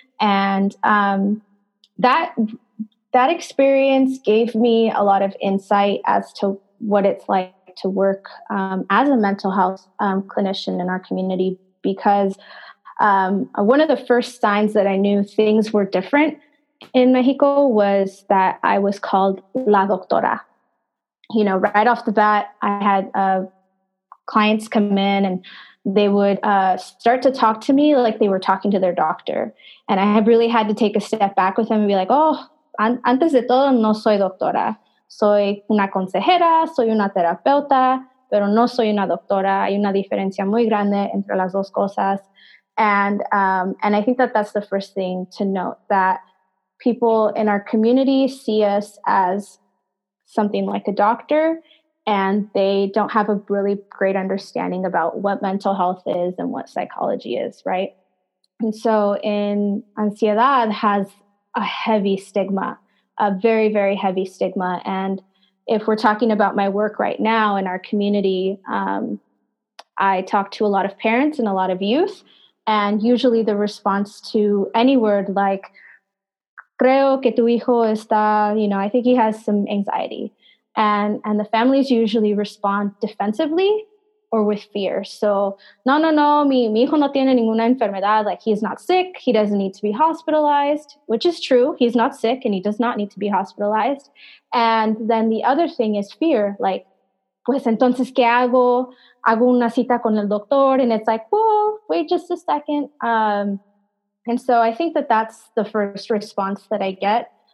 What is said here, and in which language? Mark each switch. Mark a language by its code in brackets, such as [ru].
[en] And that experience gave me a lot of insight as to what it's like to work as a mental health clinician in our community, because one of the first signs that I knew things were different in Mexico was that I was called La Doctora. You know, right off the bat, I had clients come in and they would start to talk to me like they were talking to their doctor. And I have really had to take a step back with them and be like, oh, [es] antes de todo, no soy doctora. Soy una consejera, soy una terapeuta, pero no soy una doctora. Hay una diferencia muy grande entre las dos cosas. [en] And I think that that's the first thing to note, that people in our community see us as something like a doctor, and they don't have a really great understanding about what mental health is and what psychology is, right? And so in ansiedad has a heavy stigma, a very, very heavy stigma. And if we're talking about my work right now in our community, I talk to a lot of parents and a lot of youth, and usually the response to any word like, [es] creo que tu hijo está, [en] you know, I think he has some anxiety. And the families usually respond defensively or with fear. [es] So, no, mi hijo no tiene ninguna enfermedad. [en] Like, he is not sick. He doesn't need to be hospitalized, which is true. He's not sick and he does not need to be hospitalized. And then the other thing is fear. Like, [es] pues entonces, ¿qué hago? Hago una cita con el doctor. [en] And it's like, whoa, wait just a second. And so I think that that's the first response that I get.